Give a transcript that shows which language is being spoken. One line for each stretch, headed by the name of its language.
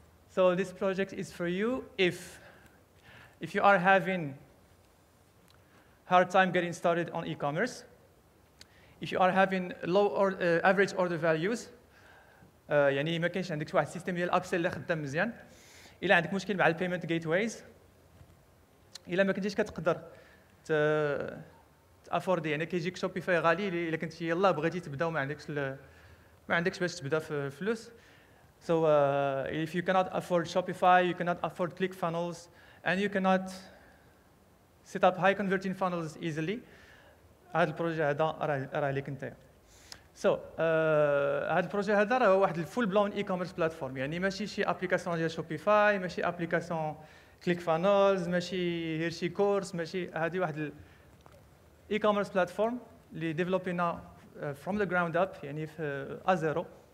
English: so this project is for you If you are having hard time getting started on e-commerce, if you are having low or average order values,
Arabic: يعني ما كاينش عندك واحد السيستم ديال ابسيل اللي خدام مزيان، الا عندك مشكل مع البيمنت جيت ويز، الا ما كنتيش كتقدر تافورد، يعني كيجيك شوبيفاي غالي الا كنتي يلا بغيتي تبدا وما عندكش باش تبدا في فلوس.
English: So if you cannot afford Shopify, you cannot afford ClickFunnels, and you cannot set up high converting funnels easily,
Arabic: هذا البروجي هذا راه عليك انت. سو هذا البروجي هذا راه واحد الفول بلون اي كوميرس بلاتفورم، يعني ماشي شي ابليكاسيون ديال شوبيفاي، ماشي ابليكاسيون كليك فانلز، ماشي هيرشي كورس، ماشي هذه واحد الاي كوميرس بلاتفورم اللي ديفلوبينا
English: from the ground up,
Arabic: يعني في ازيرو.